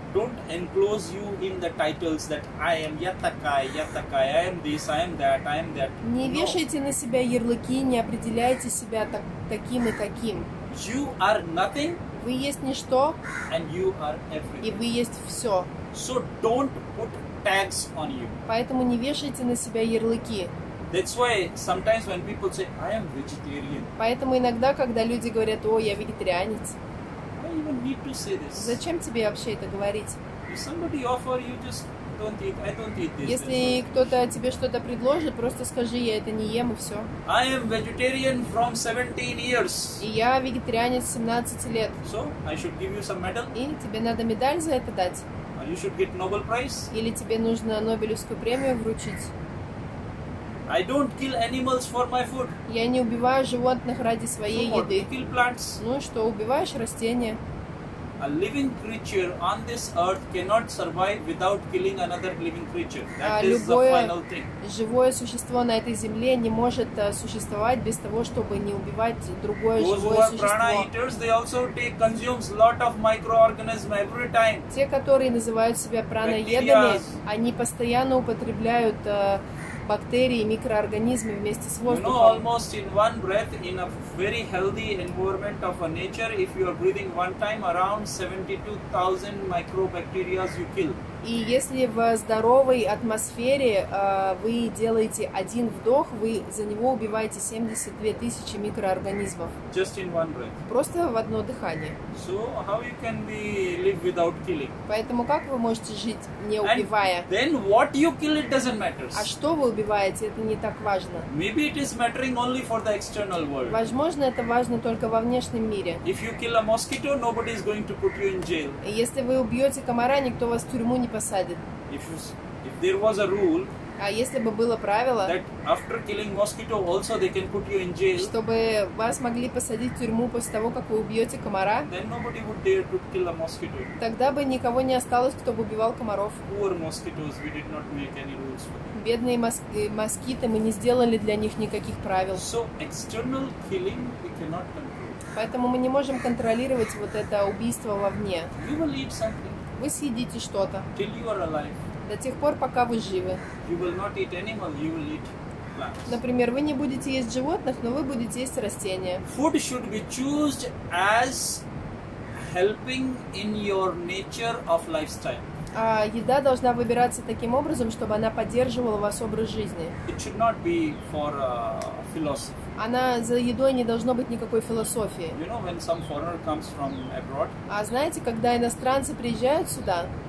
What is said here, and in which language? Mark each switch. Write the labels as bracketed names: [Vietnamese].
[English] Don't enclose you in the titles that I am [Russian] я такая, [English] I am this, I am that. [Russian] Не вешайте на себя ярлыки, не определяйте себя таким и таким. [English] You are nothing. [Russian] Вы есть ничто. [English] And you are everything. [Russian] И вы есть все. [English] So don't put tags on you. [Russian] Поэтому не вешайте на себя ярлыки. [English] That's why sometimes when people say I am vegetarian. [Russian] Поэтому иногда, когда люди говорят, о, я вегетарианец. [English] Why even need to say this? [Russian] Зачем тебе вообще это говорить? [English] If somebody offer you, just don't eat. I don't eat this. [Russian] Если кто-то тебе что-то предложит, просто скажи, я это не ем и все. [English] I am vegetarian from 17 years. [Russian] И я вегетарианец 17 лет. [English] So I should give you some medal? [Russian] И тебе надо медаль за это дать? [English] You should get Nobel Prize. [Russian] Или тебе нужно Нобелевскую премию вручить? [English] I don't kill animals for my food. [Russian] Я не убиваю животных ради своей [English] so what, [Russian] еды. [English] You kill plants. [Russian] Ну и что, убиваешь растения? [English] A living creature on this earth cannot survive without killing another living creature. That is [Russian] любое [English] the final thing. [Russian] Живое существо на этой земле не может существовать без того, чтобы не убивать другое [English] Those [Russian] живое [English] who are [Russian] существо. [English] Prana eaters, they also take consumes lot of microorganisms every time. [Russian] Те, которые называют себя праноедами, они постоянно употребляют бактерии, микроорганизмы вместе с воздухом. [English] You know, almost in one breath, in a very healthy environment of a nature, if you are breathing one time, around 72,000 microbacteria you kill. [Russian] И если в здоровой атмосфере вы делаете один вдох, вы за него убиваете 72 тысячи микроорганизмов. [English] Just in one breath. [Russian] Просто в одно дыхание. [English] So how you can be live without killing? [Russian] Поэтому как вы можете жить, не убивая? [English] And then what you kill, it doesn't matter. [Russian] А что вы убиваете, это не так важно. [English] Maybe it is mattering only for the external world. [Russian] Возможно, это важно только во внешнем мире. [English] If you kill a mosquito, nobody is going to put you in jail. [Russian] Если вы убьете комара, никто вас в тюрьму не посадит. [English] If there was a rule, [Russian] а если бы было правило, [English] that after killing mosquito also they can put you in jail, [Russian] чтобы вас могли посадить в тюрьму после того, как вы убьете комара, [English] then nobody would dare to kill a mosquito. [Russian] Тогда бы никого не осталось, кто бы убивал комаров. [English] Poor mosquitoes, we did not make any rules for them. [Russian] Бедные москиты, мы не сделали для них никаких правил. [English] So external killing we cannot control. [Russian] Поэтому мы не можем контролировать вот это убийство вовне. [English] You will eat something. [Russian] Вы съедите что-то. [English] Till you are alive. [Russian] До тех пор, пока вы живы. [English] You will not eat animal, you will eat plants. [Russian] Например, вы не будете есть животных, но вы будете есть растения. [English] Food should be chosen as helping in your nature of lifestyle. [Russian] А еда должна выбираться таким образом, чтобы она поддерживала вас образ жизни. [English] It should not be for philosophy. [Russian] Она за едой не должно быть никакой философии. [English] You know, when some foreigner comes from abroad, [Russian] а знаете, когда иностранцы приезжают сюда,